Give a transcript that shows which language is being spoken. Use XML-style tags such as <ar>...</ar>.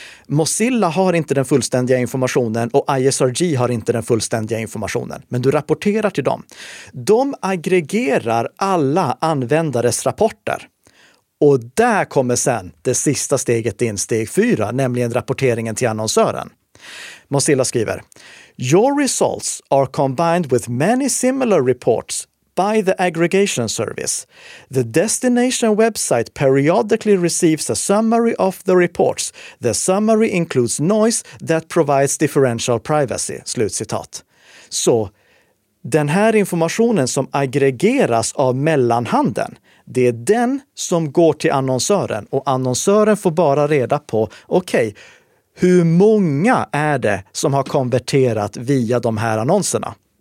<sv>Mozilla har inte den fullständiga informationen och ISRG har inte den fullständiga informationen. Men du rapporterar till dem. De aggregerar alla användares rapporter. Och där kommer sen det sista steget in, steg 4, nämligen rapporteringen till annonsören. Mozilla skriver:</sv> <en>Your results are combined with many similar reports by the aggregation service. The destination website periodically receives a summary of the reports. The summary includes noise that provides differential privacy.</en> <sv>Slutcitat. Så den här informationen som aggregeras av mellanhanden, det är den som går till annonsören. Och annonsören får bara reda på, okej, hur många är det som har konverterat via de här annonserna?</sv>